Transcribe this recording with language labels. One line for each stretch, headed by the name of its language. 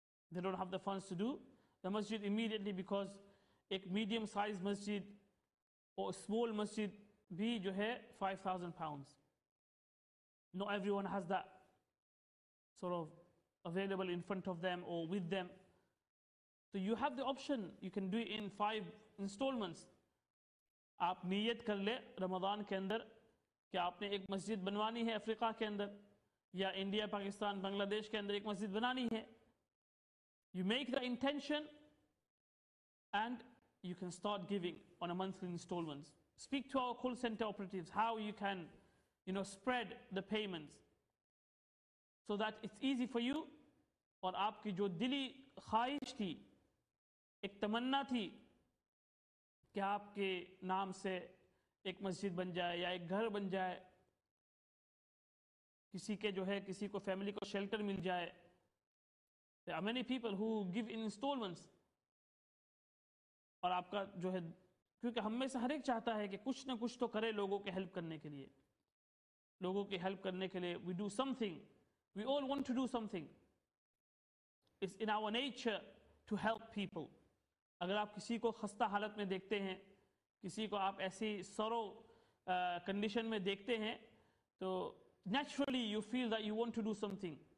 English: They don't have the funds to do the masjid immediately because a medium-sized masjid or a small masjid
Urdu: بھی جو ہے 5,000 pounds.
English: Not everyone has that sort of available in front of them or with them. So you have the option, you can do it in 5 installments.
Urdu: آپ نیت کر لے رمضان کے اندر کہ آپ نے ایک مسجد بنوانی ہے افریقہ کے اندر یا انڈیا پاکستان بنگلہ دیش کے اندر ایک مسجد بنانی ہے.
English: You make the intention and you can start giving on a monthly installments. Speak to our call center operatives how you can, you know, spread the payments so that it's easy for you.
Urdu: اور آپ کی جو دلی خواہش تھی ایک تمنا تھی کہ آپ کے نام سے ایک مسجد بن جائے یا ایک گھر بن جائے, کسی کے جو ہے کسی کو فیملی کو شیلٹر مل جائے.
English: There are many people who give in installments.
Urdu: اور آپ کا جو ہے کیونکہ ہم میں سے ہر ایک چاہتا ہے کہ کچھ نہ کچھ تو کرے لوگوں کے ہیلپ کرنے کے لیے, لوگوں کی ہیلپ کرنے کے لیے.
English: We do something, we all want to do something. It's in our nature to help people.
Urdu: اگر آپ کسی کو خستہ حالت میں دیکھتے ہیں, کسی کو آپ ایسی سورو کنڈیشن میں دیکھتے ہیں, تو
English: Naturally you feel that you want to do something.